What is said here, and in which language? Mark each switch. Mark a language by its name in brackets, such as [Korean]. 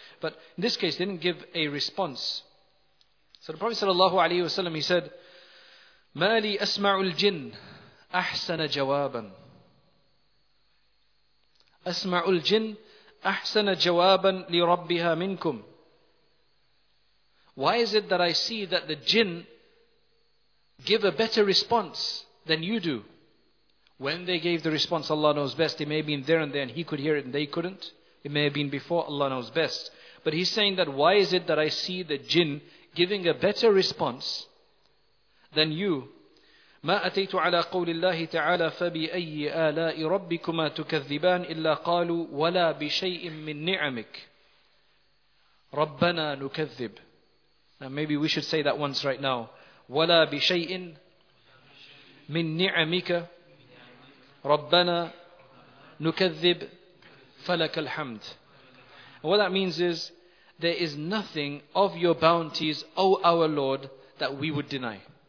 [English] But in this case, they didn't give a response. So the Prophet sallallahu alayhi wa sallam, he said, [Arabic] مَا لِي أَسْمَعُ الْجِنِّ أَحْسَنَ جَوَابًا أَسْمَعُ الْجِنِّ أَحْسَنَ جَوَابًا لِرَبِّهَا مِنْكُمْ [English] Why is it that I see that the jinn give a better response than you do? When they gave the response, Allah knows best. It may have been there and then he could hear it and they couldn't. It may have been before, Allah knows best. But he's saying that why is it that I see the jinn giving a better response than you? [Arabic] مَا أَتَيْتُ عَلَىٰ قَوْلِ اللَّهِ تَعَالَىٰ فَبِأَيِّ آلَاءِ رَبِّكُمَا تُكَذِّبَانِ إِلَّا قَالُوا وَلَا بِشَيْءٍ مِّن نِعَمِكَ رَبَّنَا نُكَذِّبُ [English] Now maybe we should say that once right now. [Arabic] وَلَا بِشَيْءٍ مِّن نِعَمِكَ رَبَّنَا نُكَذِّبُ فَلَكَ الْحَمْدُ [English] What that means is, there is nothing of your bounties, O our Lord, that we would deny.